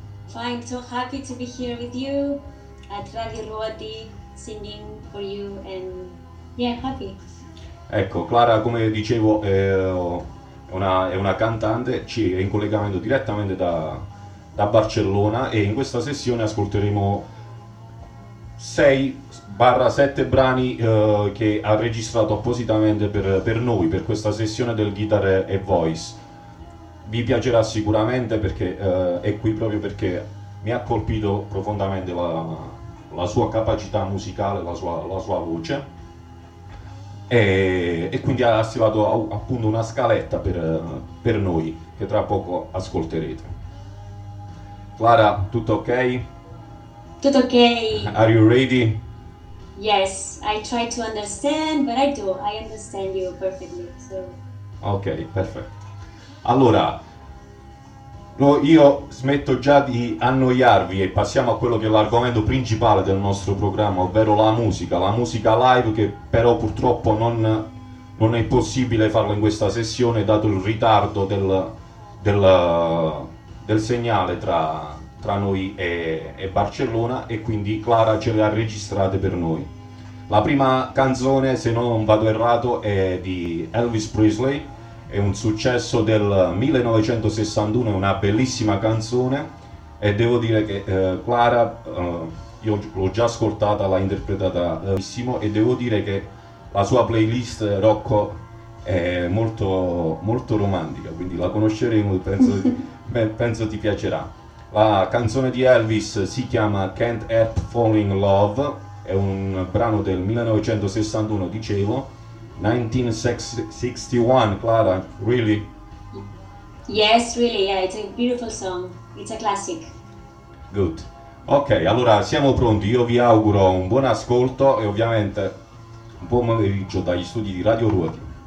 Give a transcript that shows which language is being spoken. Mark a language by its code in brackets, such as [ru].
[en] Fine, so happy to be here with you at Radio Ruoti, singing for you, and yeah, happy. [it] Ecco, Clara, come dicevo, è una cantante, ci è in collegamento direttamente da Barcellona, e in questa sessione ascolteremo 6/7 brani che ha registrato appositamente per noi, per questa sessione del Guitar e Voice. Vi piacerà sicuramente, perché è qui proprio perché mi ha colpito profondamente la sua capacità musicale, la sua voce, e quindi ha stilato appunto una scaletta per noi, che tra poco ascolterete. Clara, tutto ok? Tutto ok. [en] Are you ready? Yes, I try to understand, but I understand you perfectly. So. [it] Ok, perfetto. Allora, io smetto già di annoiarvi e passiamo a quello che è l'argomento principale del nostro programma, ovvero la musica live, che però purtroppo non è possibile farlo in questa sessione, dato il ritardo del segnale tra noi e Barcellona, e quindi Clara ce l'ha registrata per noi. La prima canzone, se non vado errato, è di Elvis Presley. È un successo del 1961, è una bellissima canzone, e devo dire che Clara, io l'ho già ascoltata, l'ha interpretata benissimo, e devo dire che la sua playlist rock è molto, molto romantica, quindi la conosceremo, penso ti piacerà. La canzone di Elvis si chiama Can't Help Falling in Love, è un brano del 1961, dicevo. [en] 1961, Clara, really? Yes, really, yeah, it's a beautiful song, it's a classic. Good. [it] Ok, allora siamo pronti, io vi auguro un buon ascolto e ovviamente un buon pomeriggio dagli studi di Radio Ruoti.